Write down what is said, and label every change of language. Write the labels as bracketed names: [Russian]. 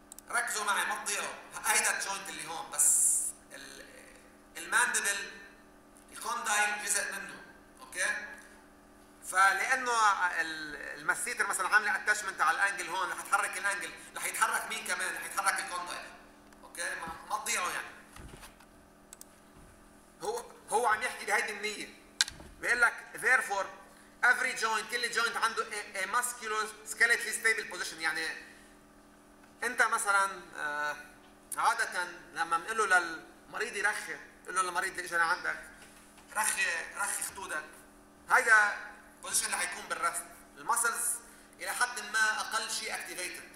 [Arabic] ركزوا معي ما تضيعوا، هيدا الجوينت اللي هون بس المانديبل الكوندايل جزء منه، اوكي، فلانه الماسيتر مثلا عامل اتاتشمنت على الانجل هون رح يتحرك الانجل، رح يتحرك مين كمان؟ رح يتحرك الكوندايل، اوكي، ما تضيعوا يعني. هو عم يحكي بهيدي النية، بيقول لك ذيرفور [English] every joint [Arabic] كل [English] joint [Arabic] عنده [English] a musculoskeletal stable position. [Arabic] يعني انت مثلا عادة لما بنقول له للمريض يرخي، بنقول له للمريض اللي اجى لعندك رخي رخي خدودك، هيدا البوزيشن اللي حيكون بالرست، المسلز الى حد ما اقل شيء اكتيفيتد.